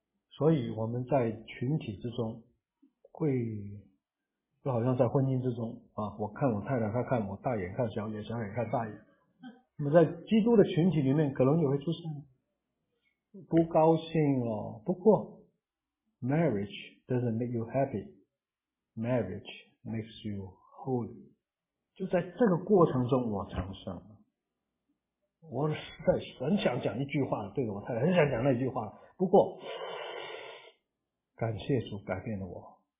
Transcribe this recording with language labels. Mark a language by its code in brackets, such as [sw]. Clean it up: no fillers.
[zh] 所以我们在群体之中会就好像在婚姻之中啊，我看我太太，她看我大眼看小眼，小眼看大眼。那么在基督的群体里面，可能也会出现不高兴哦。不过 [en] ，marriage doesn't make you happy, marriage makes you holy。 [zh] 就在这个过程中，我长胜了。我实在很想讲一句话，对着我太太，很想讲那句话。不过，感谢主改变了我。